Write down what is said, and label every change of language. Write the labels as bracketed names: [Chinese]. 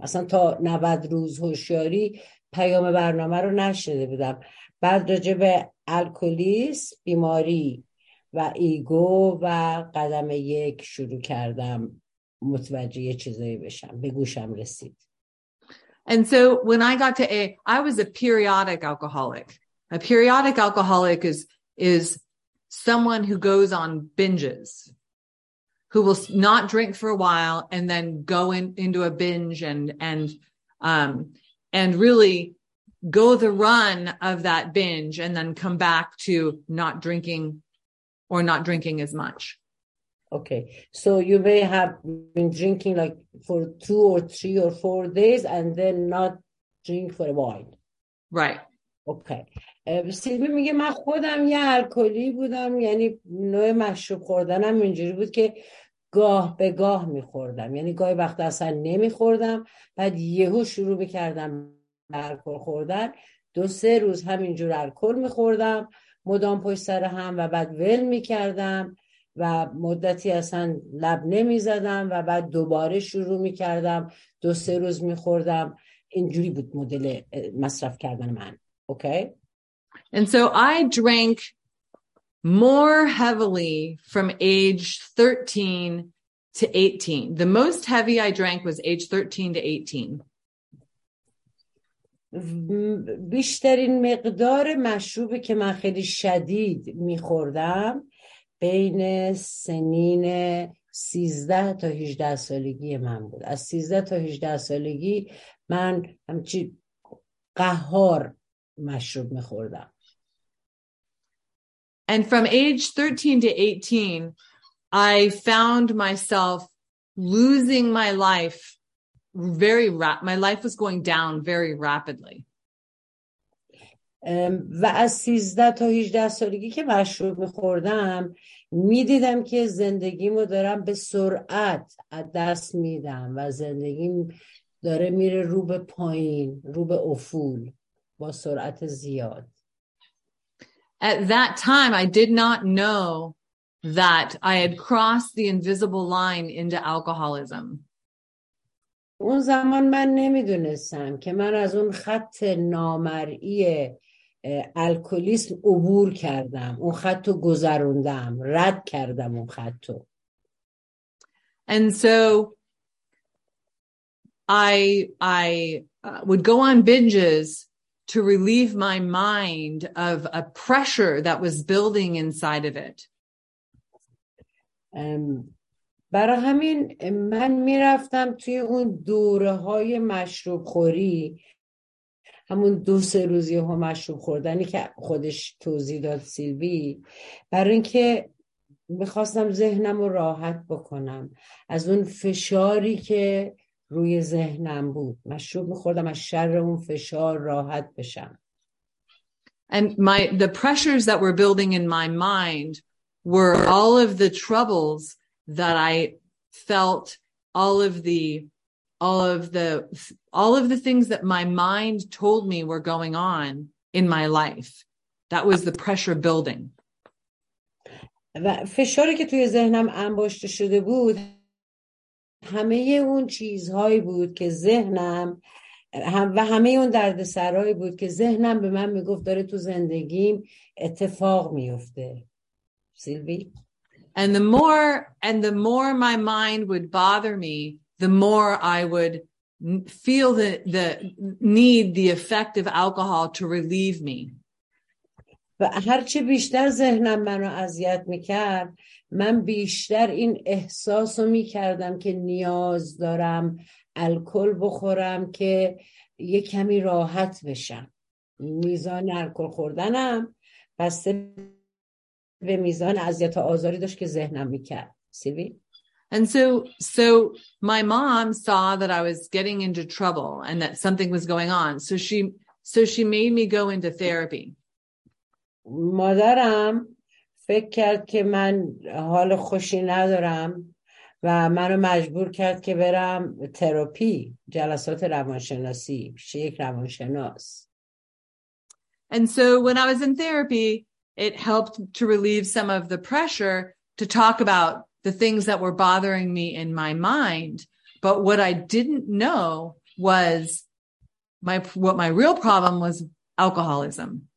[Persian] اصلا تا 90 روز هوشیاری پیام برنامه رو نشنیده بودم. بعد راجع به الکلیسم، بیماری و ایگو و قدم یک شروع کردم متوجه یه چیزایی بشم به گوشم رسید. [English] And so when I got to A, I was a periodic alcoholic. A periodic alcoholic is someone who goes on binges, who will not drink for a while and then go into a binge and really go the run of that binge and then come back to not drinking or not drinking as much. Okay, so you may have been drinking like for 2 or 3 or 4 days and then not drink for a while. Right. Okay. [Persian] سیلوی میگه من خودم یه الکلی بودم، یعنی نوع مشروب خوردنم اینجوری بود که گاه به گاه میخوردم، یعنی گاهی وقت اصلا نمیخوردم، بعد یهو شروع میکردم الکل خوردن، 2-3 روز همینجور الکل میخوردم مدام پشت سر هم و بعد ول میکردم و مدتی اصلا لب نمی زدم و بعد دوباره شروع می کردم 2-3 روز می خوردم. اینجوری بود مدل مصرف کردن من. [English] Okay. And so I drank more heavily from age 13 to 18. The most heavy I drank was age 13 to 18. [Persian] بیشترین مقدار مشروبی که من خیلی شدید می خوردم بین سنین 13 تا 18 سالگی من بود. از 13 تا 18 سالگی من همچی قهار مشروب می‌خوردم. [English] And from age 13 to 18 I found myself losing my life very my life was going down very rapidly. [Persian] و از 13 تا 18 سالگی که مشروب می‌خوردم می‌دیدم که زندگیمو دارم به سرعت از دست میدم و زندگیم داره میره رو به پایین، رو به افول با سرعت زیاد. [English] At that time I did not know that I had crossed the invisible line into alcoholism. [Persian] اون زمان من نمی‌دونستم که من از اون خط نامرئی الکلیسم عبور کردم، اون خطو گذروندم، رد کردم اون خطو. [English] And so I would go on binges to relieve my mind of a pressure that was building inside of it. [Persian] برای همین من میرفتم توی اون دوره‌های مشروب خوری، همون 2-3 روزی ها مشروب خوردنی که خودش توضیح داد سیلوی، برای اینکه میخواستم ذهنم رو راحت بکنم از اون فشاری که روی ذهنم بود، مشروب میخوردم از شر اون فشار راحت بشم. [English] And the pressures that were building in my mind were all of the troubles that I felt, all of the things that my mind told me were going on in my life. That was the pressure building. [Persian] و فشاری که توی ذهنم انباشته شده بود همه اون چیزهایی بود که ذهنم و همه اون دردسرایی بود که ذهنم به من میگفت داره تو زندگیم اتفاق میفته. سیلوی. [English] And the more my mind would bother me, the more I would feel the effect of alcohol to relieve me. [Persian] و هرچه بیشتر ذهنم منو اذیت میکرد، من بیشتر این احساسو میکردم که نیاز دارم الکل بخورم که یه کمی راحت بشم. میزان الکل خوردنم بسته به میزان اذیت و آزاری داشت که ذهنم میکرد. سیوی؟ [English] And so my mom saw that I was getting into trouble and that something was going on. So she made me go into therapy. [Persian] مادرم فکر کرد که من حال خوشی ندارم و منو مجبور کرد که برم تراپی، جلسات روانشناسی پیش یک روانشناس. [English] And so when I was in therapy, it helped to relieve some of the pressure to talk about the things that were bothering me in my mind. But what I didn't know was what my real problem was alcoholism.